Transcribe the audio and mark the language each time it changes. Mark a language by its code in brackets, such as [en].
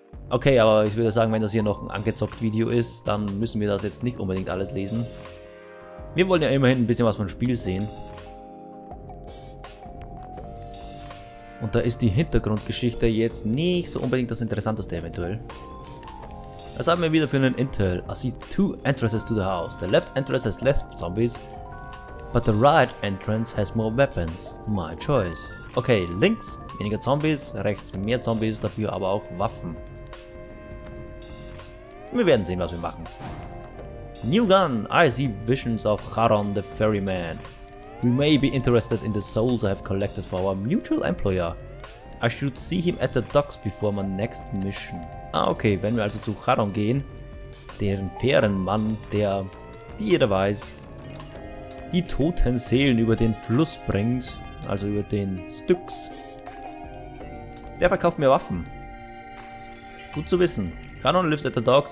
[de] Okay, aber ich würde sagen, wenn das hier noch ein angezockt Video ist, dann müssen wir das jetzt nicht unbedingt alles lesen. Wir wollen ja immerhin ein bisschen was vom Spiel sehen. Und da ist die Hintergrundgeschichte jetzt nicht so unbedingt das Interessanteste eventuell. Das haben wir wieder für einen Intel. [en] I see two entrances to the house. The left entrance has less zombies, but the right entrance has more weapons. My choice. [de] Okay, links weniger Zombies, rechts mehr Zombies, dafür aber auch Waffen. Wir werden sehen, was wir machen. [en] New gun, I see visions of Charon the Ferryman. We may be interested in the souls I have collected for our mutual employer. I should see him at the docks before my next mission. [de] Ah, okay, wenn wir also zu Charon gehen, deren Fährenmann, der, wie jeder weiß, die toten Seelen über den Fluss bringt, also über den Styx. Der verkauft mir Waffen. Gut zu wissen. [en] Charon lives at the docks.